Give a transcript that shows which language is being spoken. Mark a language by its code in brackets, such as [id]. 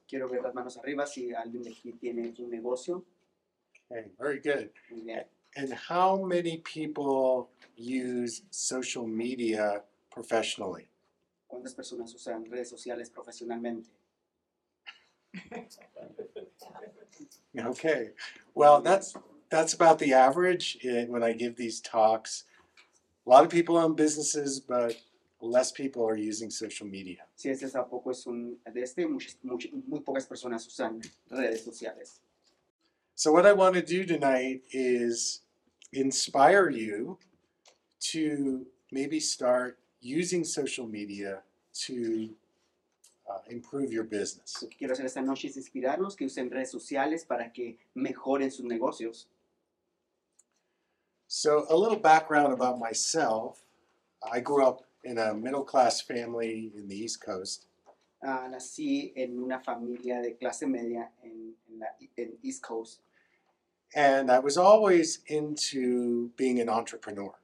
[es] Quiero ver las manos arriba si alguien aquí tiene un negocio. [en] Okay, very good. And how many people use social media professionally? [es] ¿Cuántas personas usan redes sociales profesionalmente? [en] Okay, well, that's about the average when I give these talks. A lot of people own businesses, but less people are using social media. [es] Sí, ese tampoco es un de este. Muy pocas personas usan redes sociales. [en] So what I want to do tonight is inspire you to maybe start using social media to improve your business. [es] Lo que quiero hacer esta noche es inspirarlos que usen redes sociales para que mejoren sus negocios. [en] So, a little background about myself. I grew up in a middle-class family in the East Coast. [es] Nací en una familia de clase media en East Coast. [en] And I was always into being an entrepreneur.